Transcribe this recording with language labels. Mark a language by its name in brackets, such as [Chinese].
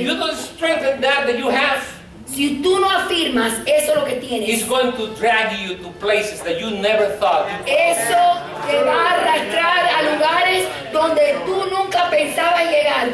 [English] If you don't strengthen that that you have. [Spanish] Si tú no afirmas eso lo que tienes. [English] It's going to drag you to places that you never thought. [Spanish] Eso te va a arrastrar a lugares donde tú nunca pensabas llegar.